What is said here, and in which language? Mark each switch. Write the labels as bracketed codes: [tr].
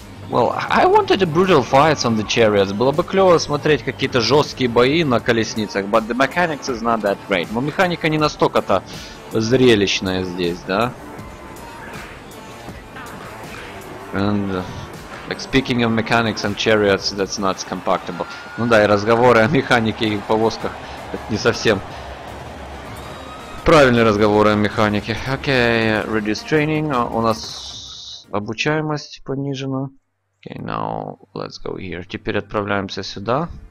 [en] Well, I wanted a brutal fight on the chariots. [ru] Было бы клево смотреть какие-то жесткие бои на колесницах, [en] but the mechanics is not that great. [ru] Но механика не настолько-то зрелищная здесь, да? [en] And like speaking of mechanics and chariots, that's not compatible. [ru] Ну да, и разговоры о механике и повозках это не совсем. Правильные разговоры о механике. [en] Окей, reduce training. [ru] У нас обучаемость понижена. [en] Окей, now let's go here. [ru] Теперь отправляемся сюда.